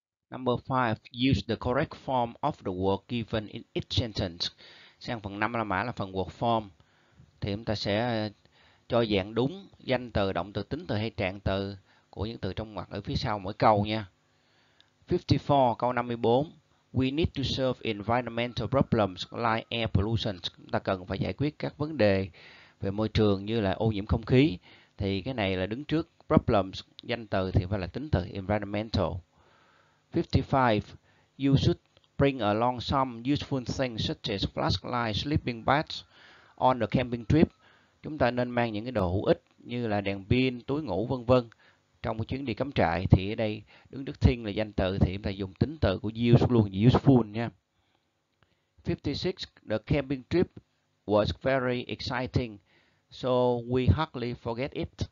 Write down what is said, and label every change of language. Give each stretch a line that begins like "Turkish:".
English: Number 5, use the correct form of the word given in each sentence.
Vietnamese: Sang phần 5 là mã là phần word form. Thì chúng ta sẽ cho dạng đúng danh từ, động từ, tính từ hay trạng từ của những từ trong ngoặc ở phía sau mỗi câu nha.
English: 54,
Vietnamese: câu 54.
English: We need to solve environmental problems like air pollution.
Vietnamese: Chúng ta cần phải giải quyết các vấn đề về môi trường như là ô nhiễm không khí. Thì cái này là đứng trước problems, danh từ thì phải là tính từ environmental.
English: 55. You should bring along some useful things such as flashlight, sleeping bags on the camping trip.
Vietnamese: Chúng ta nên mang những cái đồ hữu ích như là đèn pin, túi ngủ vân vân trong một chuyến đi cắm trại. Thì ở đây đứng trước thing là danh từ thì chúng ta dùng tính từ của use luôn, useful nha. 56.
English: The camping trip was very exciting, so we hardly forget it.